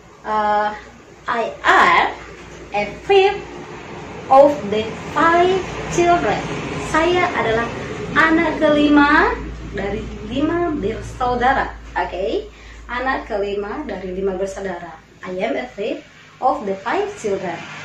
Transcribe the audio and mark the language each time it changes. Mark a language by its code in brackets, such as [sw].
[en] I am a fifth of the five children. [id] Saya adalah anak kelima dari lima bersaudara. Okay, anak kelima dari lima bersaudara. [en] I am a fifth of the five children.